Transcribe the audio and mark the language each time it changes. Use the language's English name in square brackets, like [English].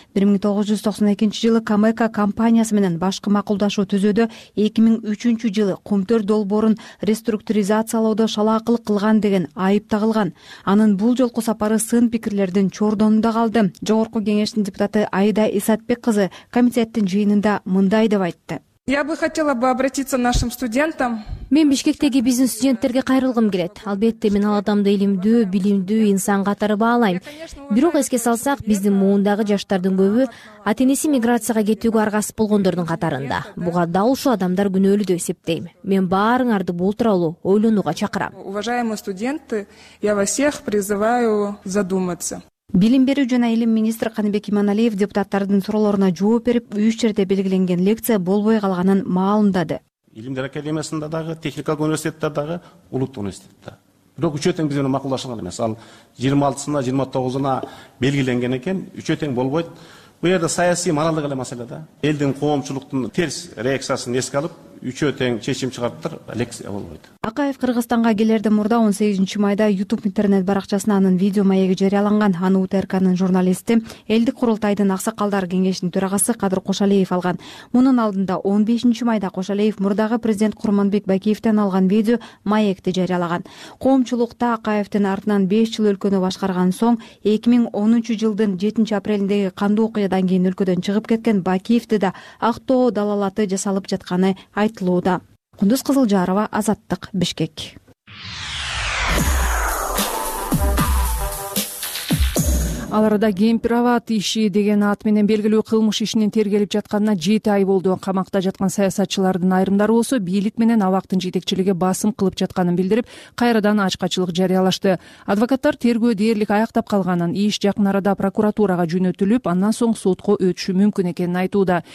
[Kyrgyz] 1992 жылы Камэка компаниясы менен башкы макулдашуу түзүүдө 2003 жылы кумтор долбоорун реструктуризациялоодо шалаакылык кылган деген айып тагылган. Анын бул жолку сапары сын пикирлердин чордонунда калды. Жогорку кеңештин депутаты Айда Исатбек кызы комитеттин жыйынында мындай деп айтты. [Russian] Я бы хотела бы обратиться нашим студентам. [Kyrgyz] Мен Бишкектеги биздин студенттерге кайрылгым келет. Албетте, мен ал адамды илимдүү, билимдүү инсан катары баалайм. Бирок эске салсак, биздин муундагы жаштардын көбү ата-энеси миграцияга кетүүгө аргасыз болгондордун катарында. Буга дал ушул адамдар күнөөлүү деп эсептейм. Мен баарыңарды бул тууралуу ойлонууга чакырам. [Russian] Уважаемые студенты, я вас всех призываю задуматься. [Kyrgyz] Билим берүү жана илим министри Каныбек Иманалиев депутаттардын суроолоруна жооп берип, үч жерде белгиленген лекция болбой калганын маалымдады. Илимдер академиясында дагы, техникалык университетте дагы, улуттук университетте. Бирок үчөө тең бизге макулдашылган эмес. Ал 26-сына, 29-уна белгиленген экен, үчөө тең болбойт. Бул жерде саясий моралдык эле маселе да. Элдин коомчулуктун терс реакциясын эске алып, үчөө тең чечим чыгарыптыр, лекция болбойт. Акаев Кыргызстанга келерден мурда 18 майда YouTube интернет баракчасына анын видео маегі жарыяланган. Аны УТРКнын журналисти, элдик курултайдын аксакалдар кеңешинин төрагасы Кадыр Кошалиев алган. Мунун алдында 15 майда Кошалиев мурдагы президент Курманбек Бакиевден алган видео маекти жарыялаган. Коомчулукта Акаевдин артынан 5 жыл өлкөнү башкарган соң 2010 жылдын 7 апрелиндеги кандуу окуядан кийин өлкөдөн чыгып кеткен Бакиевди да актоо далалаты жасалып жатканы айтылууда. Кундуз Кызылжарова, Азаттык, Бишкек. Ал арада Кемпироват иши деген ат менен белгилүү кылмыш ишинин тергелип жатканына 7 ай болду. Камакта жаткан саясатчылардын айрымдары болсо бийлик менен абактын жетекчилиги басым кылып жатканын билдирип, кайрадан ачкачылык жарыялашты. Адвокаттар тергөө дээрлик аяктап калганын, иш жакын арада прокуратурага жөнөтүлүп, андан соң сотко өтүшү мүмкүн экенин айтууда.